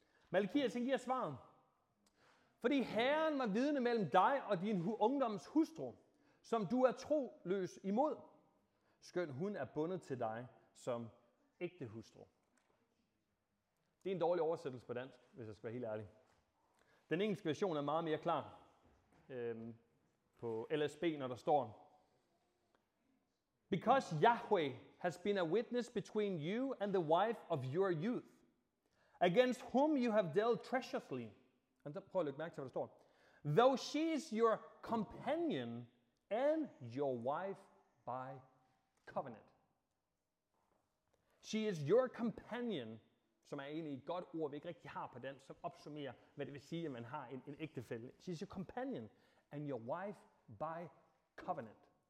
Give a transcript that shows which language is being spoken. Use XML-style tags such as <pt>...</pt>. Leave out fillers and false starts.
<da>Malakias giver svaren. Fordi Herren var vidne mellem dig og din ungdoms hustru, som du er troløs imod, skøn hun er bundet til dig som ægte hustru. Det er en dårlig oversættelse på dansk, hvis jeg skal være helt ærlig. Den engelske version er meget mere klar på LSB, når der står:</da> <en>Because Yahweh has been a witness between you and the wife of your youth, against whom you have dealt treacherously.</en> <da>Prøv at lægge mærke til, hvad der står.</da> <en>Though she is your companion and your wife by covenant. She is your companion,</en> <da>som er egentlig et godt ord, vi ikke rigtig har på den, som opsummerer, hvad det vil sige, at man har en ægtefælle.</da> <en>She is your companion and your wife by covenant.</en>